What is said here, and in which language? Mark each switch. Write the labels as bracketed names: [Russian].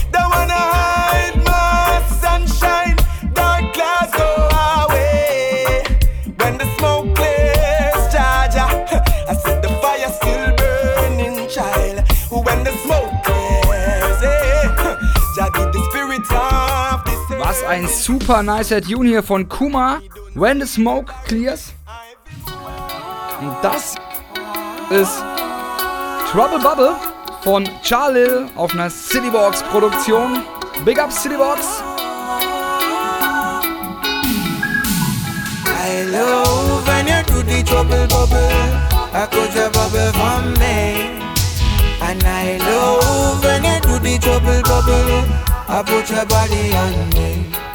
[English] Don't wanna hide my sunshine, dark clouds go away. When the smoke clears, Jaja, I see the fire still burning, child. When the smoke clears, Jaja, get the spirit of this. [German] Was ein super nice Tune hier von Kuma. When the smoke clears. Und das ist Trouble Bubble von Charlil auf einer Citybox Produktion. [English] Big up Citybox. I love when you do the trouble bubble, I cause a bubble for me. And I love when you do the trouble bubble, I put your body on me.